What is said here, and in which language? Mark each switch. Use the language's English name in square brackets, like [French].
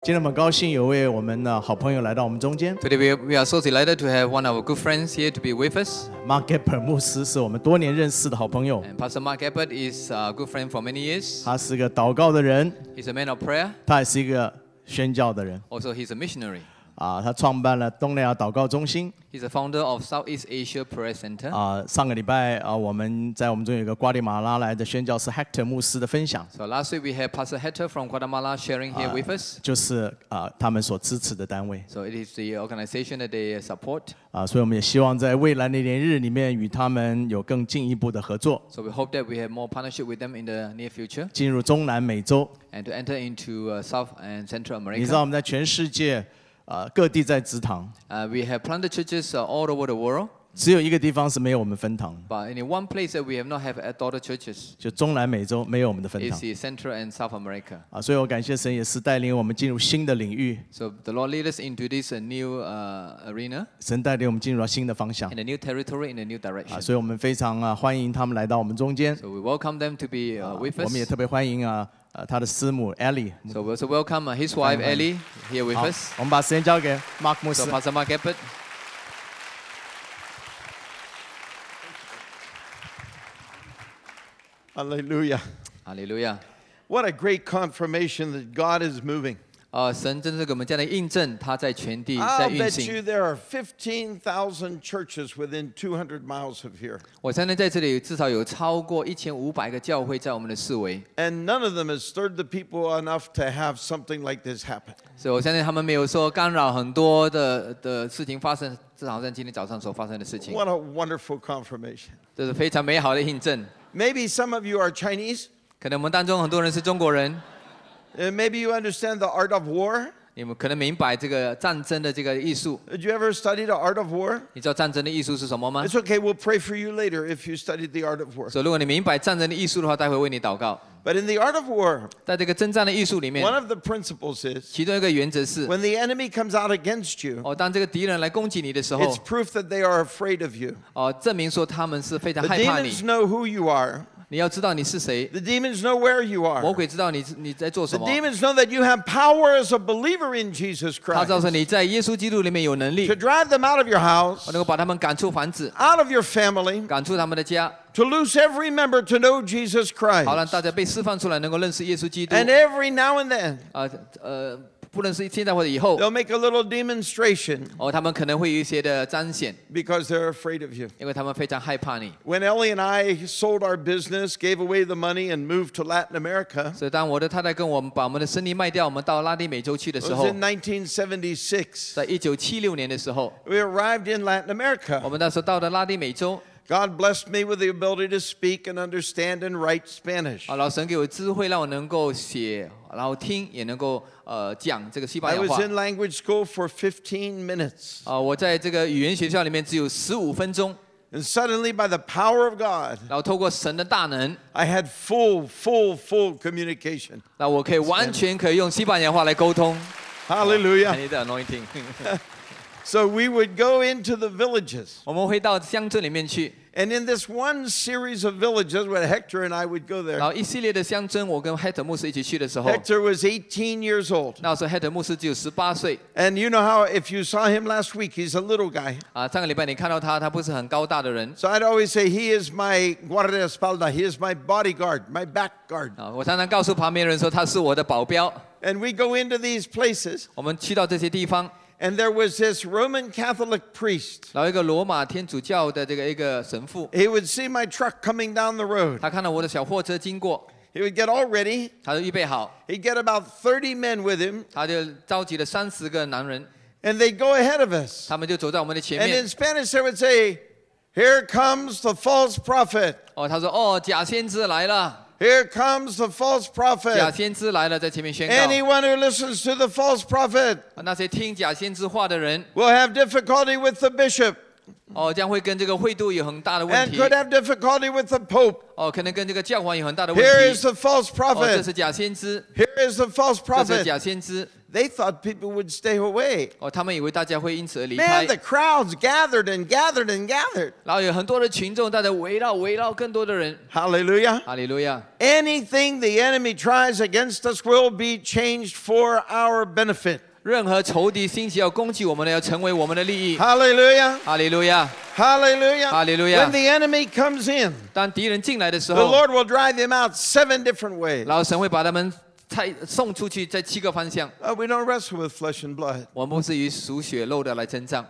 [Chinese] 今天我们高兴有位我们的好朋友来到我们中间。 [English] Today we are so delighted to have one of our good friends here to be with us. [Chinese] Mark Gepper 牧师是我们多年认识的好朋友。 [English] And Pastor Mark Gepper is a good friend for many years. [Chinese] 他是个祷告的人。 [English] He's a man of prayer. [Chinese] 他也是一个宣教的人。 [English] Also, he's a missionary. [Chinese] 他创办了东南亚祷告中心。 [English] He's a founder of Southeast Asia Prayer Center. [Chinese] 上个礼拜我们在我们中有一个瓜地马拉来的宣教士 Hector 牧师的分享。 [English] So last week we had Pastor Hector from Guatemala sharing here with us. [Chinese] 就是他们所支持的单位。 [English] So it is the organization that they support. [Chinese] 所以我们也希望在未来的年日里面与他们有更进一步的合作。 [English] So we hope that we have more partnership with them in the near future. [Chinese] 进入中南美洲。 [English] And to enter into South and Central America. [Chinese] 你知道我们在全世界。各地在祠堂。 [English] We have planted churches all over the world. [Chinese] 只有一个地方是没有我们分堂。 [English] But in one place that we have not have daughter churches. [Chinese] 就中南美洲没有我们的分堂。 [English] It's Central and South America. [Chinese] 所以我感谢神也是带领我们进入新的领域。 [English] So the Lord lead us into this new arena. [Chinese] 神带领我们进入了新的方向。 [English] In a new territory, in a new direction. [Chinese] 所以我们非常欢迎他们来到我们中间。 [English] So we welcome them to be with us. [Chinese] 我们也特别欢迎他的师母 Ellie. [English] So we also welcome his wife Ellie here with us. [Chinese] 我们把时间交给 Mark 牧师。 [English] So Pastor Mark Gepper. [Chinese] 哈利路亚。哈利路亚。 [English] What a great confirmation that God is moving. [Chinese] 神真是给我们这样的印证，他在全地在运行。 [English] I'll bet you there are 15,000 churches within 200 miles of here. [Chinese] 我相信在这里至少有超过1500个教会在我们的四围。 [English] And none of them has stirred the people enough to have something like this happen. [Chinese] 所以我相信他们没有说干扰很多的事情发生，至少在今天早上所发生的事情。 [English] What a wonderful confirmation. [Chinese] 这是非常美好的印证。 [English] Maybe some of you are Chinese. [Chinese] 可能我们当中很多人是中国人。 [English] Maybe you understand the art of war. [Chinese] 你们可能明白这个战争的这个艺术。 [English] Did you ever study the art of war? [Chinese] 你知道战争的艺术是什么吗 [English] ？It's okay. We'll pray for you later if you studied the art of war. [Chinese] 所以如果你明白战争的艺术的话，待会为你祷告。 [English] But in the art of war, [Chinese] 在这个征战的艺术里面 [English] ，one of the principles is [Chinese] 其中一个原则是 [English] ，when the enemy comes out against you, [Chinese] 当这个敌人来攻击你的时候 [English] ，it's proof that they are afraid of you. [Chinese] 证明说他们是非常害怕你。 [English] The demons know who you are. [Chinese] 你要知道你是谁。 [English] The demons know where you are. [Chinese] 魔鬼知道你在做什么。 [English] The demons know that you have power as a believer in Jesus Christ. [Chinese] 他知道说你在耶稣基督里面有能力。 [English] To drive them out of your house. [Chinese] 能够把他们赶出房子。 [English] Out of your family. [Chinese] 赶出他们的家。 [English] To lose every member to know Jesus Christ. [Chinese] 好让大家被释放出来，能够认识耶稣基督。 [English] And every now and then. [Chinese] 不论是现在或者以后。 [English] They'll make a little demonstration. [Chinese] 他们可能会有一些的彰显。 [English] Because they're afraid of you. [Chinese] 因为他们非常害怕你。 [English] When Ellie and I sold our business, gave away the money, and moved to Latin America. [Chinese] 所以当我的太太跟我们把我们的生意卖掉，我们到拉丁美洲去的时候。 [English] It was in 1976. [Chinese] 在1976年的时候。 [English] We arrived in Latin America. [Chinese] 我们那时候到了拉丁美洲。 [English] God blessed me with the ability to speak and understand and write Spanish. [Chinese] 老神给我智慧，让我能够写，然后听，也能够讲这个西班牙话。 [English] I was in language school for 15 minutes. [Chinese] 我在这个语言学校里面只有15分钟。 [English] And suddenly, by the power of God, [Chinese] 然后透过神的大能 [English] ，I had full communication. [Chinese] 那我可以完全可以用西班牙话来沟通。 [English] Hallelujah. I need the anointing. So we would go into the villages. [Chinese] 我们会到乡镇里面去。 [English] And in this one series of villages, when Hector and I would go there. [Chinese] 然后一系列的乡镇，我跟 Hector 牧师一起去的时候。 [English] Hector was 18 years old. [Chinese] 那时候 Hector 牧师只有18岁。 [English] And you know how, if you saw him last week, he's a little guy. [Chinese] 上个礼拜你看到他，他不是很高大的人。 [English] So I'd always say he is my guardaespalda. He is my bodyguard, my back guard. [Chinese] 我常常告诉旁边人说他是我的保镖。 [English] And we go into these places. [Chinese] 我们去到这些地方。 [English] And there was this Roman Catholic priest. [Chinese] 然后一个罗马天主教的这个一个神父。 [English] He would see my truck coming down the road. [Chinese] 他看到我的小货车经过。 [English] He would get all ready. [Chinese] 他就预备好。 [English] He'd get about 30 men with him. [Chinese] 他就召集了30个男人。 [English] And they'd go ahead of us. [Chinese] 他们就走在我们的前面。 [English] And in Spanish, they would say, "Here comes the false prophet." [Chinese] 他说假先知来了。 [English] Here comes the false prophet. [Chinese] 假先知来了，在前面宣告。 [English] Anyone who listens to the false prophet, [Chinese] 那些听假先知话的人 [English] will have difficulty with the bishop. [Chinese] 将会跟这个会度有很大的问题。 [English] And could have difficulty with the pope. [Chinese] 可能跟这个教皇有很大的问题。 [English] Here is the false prophet. [Chinese] 这是假先知。 [English] Here is the false prophet. [Chinese] 这是假先知。 [English] They thought people would stay away. [Chinese] 哦，他们以为大家会因此而离开。 [English] Man, the crowds gathered and gathered and gathered. [Chinese] 然后有很多的群众在那围绕，围绕更多的人。 [English] Hallelujah. Hallelujah. Anything the enemy tries against us will be changed for our benefit. [Chinese] 任何仇敌兴起要攻击我们的，要成为我们的利益。 [English] Hallelujah. Hallelujah. Hallelujah. Hallelujah. When the enemy comes in, [Chinese] 当敌人进来的时候 [English] ，the Lord will drive them out 7 different ways. [Chinese] 然后神会把他们送出去在七个方向。 [English] We don't wrestle with flesh and blood. [Chinese] 我们不是与属血肉的来征战。